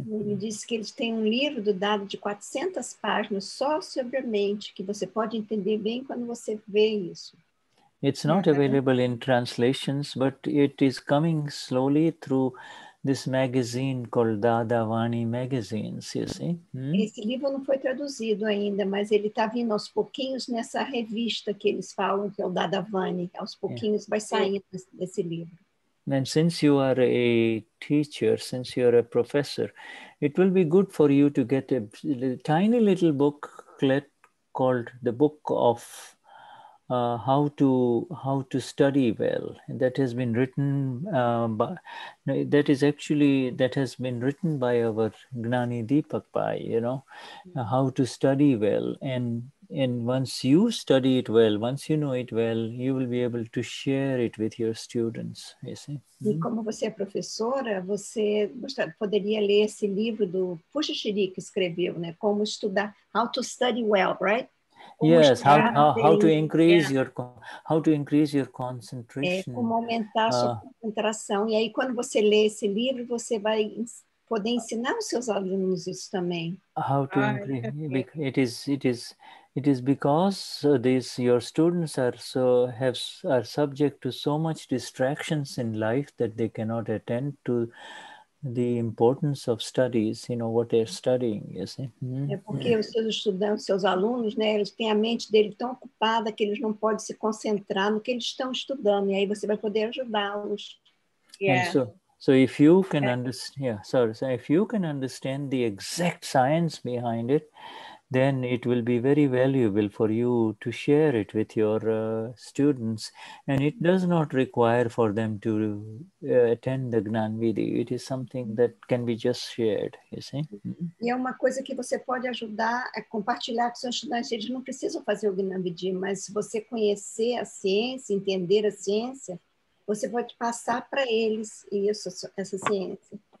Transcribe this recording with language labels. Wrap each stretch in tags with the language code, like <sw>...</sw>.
<pt>Ele disse que eles têm um livro do Dada de 400 páginas só sobre a mente, que você pode entender bem quando você vê isso.</pt> <en>It's not available in translations, but it is coming slowly through this magazine called Dada Vani Magazines, you see? Hmm?</en> <pt>Esse livro não foi traduzido ainda, mas ele está vindo aos pouquinhos nessa revista que eles falam, que é o Dada Vani. Aos pouquinhos vai saindo desse livro.</pt> <en>And since you are a teacher, since you are a professor, it will be good for you to get a tiny little booklet called the Book of How to Study Well. And that has been written by our Gnani Deepak Bhai, you know, How to Study Well. And once you study it well, once you know it well, you will be able to share it with your students, you see. Mm-hmm.</en> <pt>E como você é professora, você poderia ler esse livro do Puxa Shiri que escreveu, né? Como estudar,</pt> <en>how to study well, right?</en> <pt>Como</pt> <en>yes, how to increase your concentration.</en> <pt>É como aumentar sua concentração. E aí quando você lê esse livro, você vai... poder ensinar os seus alunos isso também.</pt> <en>How to increase? It is because these your students are subject to so much distractions in life that they cannot attend to the importance of studies. You know what they're studying. You see.</en> <pt>É porque os seus estudantes, seus alunos, né? Eles têm a mente dele tão ocupada que eles não podem se concentrar no que eles estão estudando. E aí você vai poder ajudá-los.</pt> <en>Yeah. So if you can understand, if you can understand the exact science behind it, then it will be very valuable for you to share it with your students. And it does not require for them to attend the Gnan Vidhi. It is something that can be just shared, you see.</en> <pt>E é uma coisa que você pode ajudar a compartilhar com seus estudantes. Eles não precisam fazer o Gnan Vidhi, mas se você conhecer a ciência, entender a ciência, você pode passar para eles isso, essa ciência.</pt>